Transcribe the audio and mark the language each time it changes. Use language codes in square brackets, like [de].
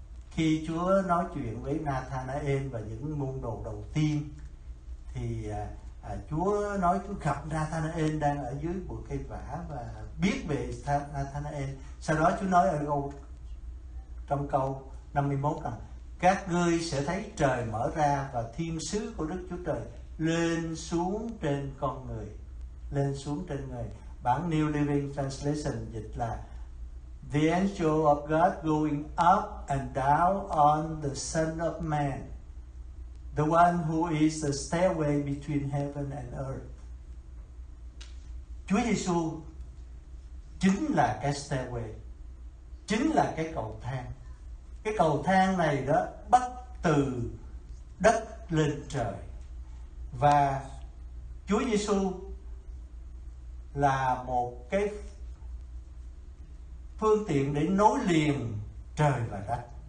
[vi] Khi Chúa nói chuyện với Nathanael và những môn đồ đầu tiên, thì Chúa nói Chúa gặp Nathanael đang ở dưới bụi cây vả và biết về Nathanael. Sau đó Chúa nói ở câu, trong câu 51 rằng các ngươi sẽ thấy trời mở ra và thiên sứ của Đức Chúa Trời lên xuống trên con người. Lên xuống trên người. Bản New Living Translation dịch là [en] the angel of God going up and down on the Son of Man, the one who is the stairway between heaven and earth. [vi] Chúa Giêsu chính là cái stairway, chính là cái cầu thang. Cái cầu thang này đó bắt từ đất lên trời. Và Chúa Giêsu là một cái phương tiện để nối liền trời và đất.